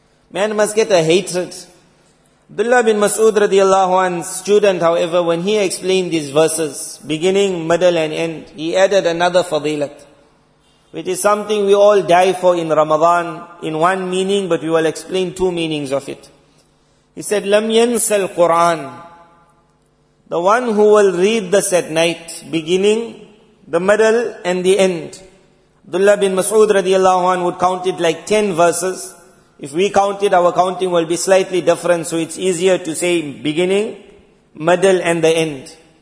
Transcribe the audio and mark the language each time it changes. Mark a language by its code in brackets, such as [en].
[en] Man must get a hatred. Abdullah bin Mas'ud radiallahu anhu's student, however, when he explained these verses, beginning, middle and end, he added another fadilat, which is something we all die for in Ramadan, in one meaning, but we will explain two meanings of it. He said, [ar] لَمْ يَنْسَ الْقُرْآنِ. [en] The one who will read this at night, beginning, the middle and the end. Abdullah bin Mas'ud radiallahu anhu would count it like 10 verses. If we count it, our counting will be slightly different, so it's easier to say beginning, middle and the end.